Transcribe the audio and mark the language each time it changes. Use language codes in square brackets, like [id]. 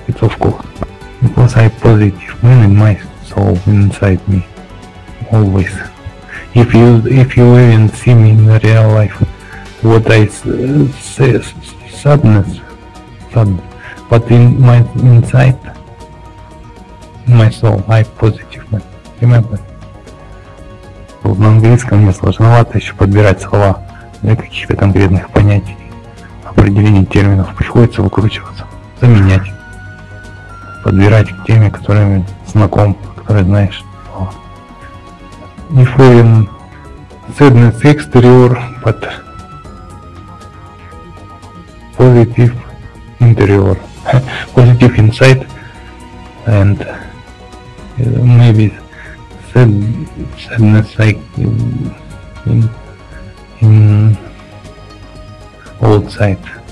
[en] It's of course because I positive man in my soul inside me. Always. If you even see me in real life, what I say is sadness. But in my inside, in my soul, I positive man. Remember? [ru] В английском мне сложновато еще подбирать слова для каких-то конкретных понятий, определений терминов. Приходится выкручиваться, заменять, подбирать к теме, которыми знаком, которые знаешь. [en] if even sadness exterior, but positive interior, positive inside, and maybe sadness like in outside.